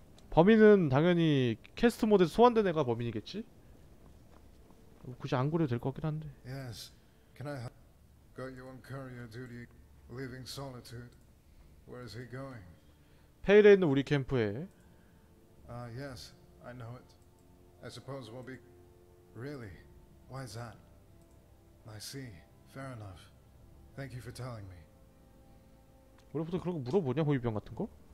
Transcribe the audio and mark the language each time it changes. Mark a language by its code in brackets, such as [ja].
[ko] 범인은 당연히 캐스트 모드에서 소환된 애가 범인이겠지? 굳이 안 그래도 될것 같긴 한데. [en] Yes, can I got you on courier duty? Leaving solitude. Where is he going? [ko] 페일에 있는 우리 캠프에. [en] Yes, I know it. I suppose we'll be. Really? Why is that? I see. Fair enough. Thank you for telling me. [ko] 원래부터 그런 거 물어보냐, 호위병 같은 거?